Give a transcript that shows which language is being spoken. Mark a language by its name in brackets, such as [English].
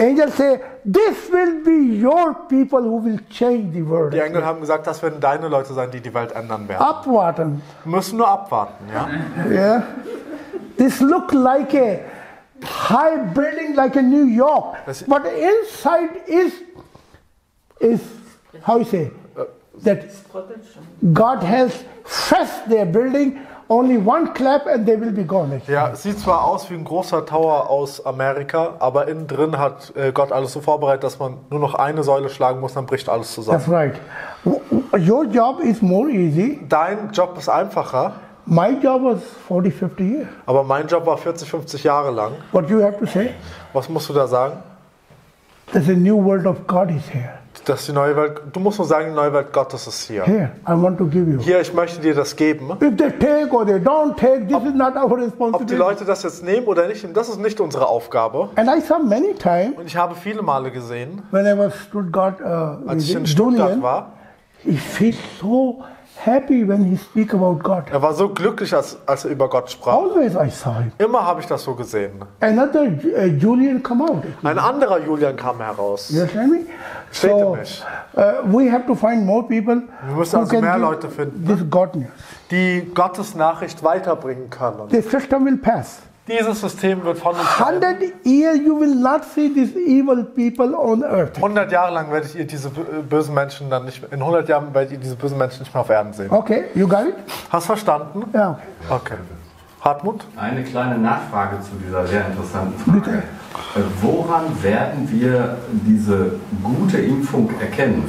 [English] Angel say, this will be your people who will change the world. [German] Die Engel haben gesagt, das werden deine Leute sein, die Welt ändern werden. Abwarten. Wir müssen nur abwarten, ja. [English] Yeah. This look like a high building like in New York, but inside is how you say that God has fenced their building only one clap and they will be gone. [German] Ja, sieht zwar aus wie ein großer Tower aus Amerika, aber innen drin hat Gott alles so vorbereitet, dass man nur noch eine Säule schlagen muss, dann bricht alles zusammen. [English] That's right. Your job is more easy. [German] Dein Job ist einfacher. [English] My job was 40, 50 years. [German] Aber mein Job war 40, 50 Jahre lang. [English] What do you have to say? [German] Was musst du da sagen? [English] There's a new world of God is here. [German] Das ist die neue Welt. Du musst nur sagen, die neue Welt Gottes ist hier. [English] Here, I want to give you. [German] Hier, ich möchte dir das geben. [English] If they take or they don't take, this is not our responsibility. [German] Ob die Leute das jetzt nehmen oder nicht, das ist nicht unsere Aufgabe. [English] And I saw many times. [German] Und ich habe viele Male gesehen. [English] When I was Stuttgart, [German] als ich in Stuttgart war. [English] He feels so happy when he speak about God. [German] Er war so glücklich, als er über Gott sprach. [English] Always I saw it. [German] Immer habe ich das so gesehen. [English] Another Julian come out. [German] Ein anderer Julian kam heraus. [English] You understand me? So, we have to find more people. [German] Wir müssen also mehr Leute finden, [English] this God news. [German] Die Gottes Nachricht weiterbringen können. [English] The system will pass. [German] Dieses System wird von uns. [English] 100 years you will not see these evil people on earth. [German] 100 Jahre lang werdet ihr diese bösen Menschen dann nicht. In 100 Jahren werdet ihr diese bösen Menschen nicht mehr auf Erden sehen. [English] Okay, you got it? [German] Hast verstanden? Ja. Okay. Hartmut? Eine kleine Nachfrage zu dieser sehr interessanten Frage. Bitte. Woran werden wir diese gute Impfung erkennen?